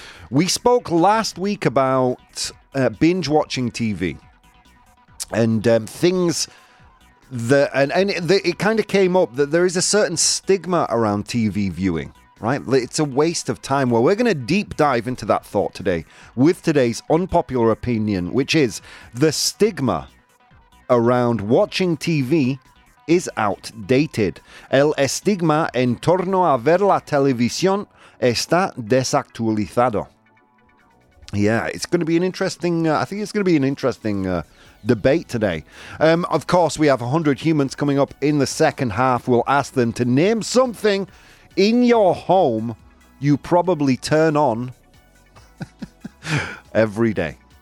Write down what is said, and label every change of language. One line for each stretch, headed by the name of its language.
English: We spoke last week about binge watching TV and things that it kind of came up that there is a certain stigma around TV viewing. Right? It's a waste of time. Well, we're going to deep dive into that thought today with today's unpopular opinion, which is the stigma around watching TV is outdated.
Spanish: El estigma en torno a ver la televisión está desactualizado.
English: Yeah, it's going to be an interesting, debate today. Of course, we have 100 humans coming up in the second half. We'll ask them to name something in your home you probably turn on every day.